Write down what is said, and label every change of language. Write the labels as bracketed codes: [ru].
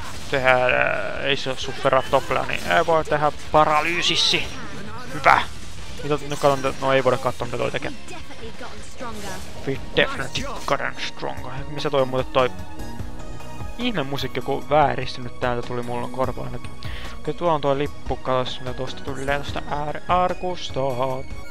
[fi] Tehdään, ei se suffera toplea, niin ei voi tehdä paralyysissi. Hyvä. Mitä nyt katon, no ei voida katsoa mitä toi tekee. [en] We definitely gotten stronger. [fi] Missä toi on muuten toi ihme musiikki, joku vääristynyt täältä tuli mulla korvaan. Kyllä tuo on tuo lippu, katos, mitä tuosta tulee tuosta arkustoa.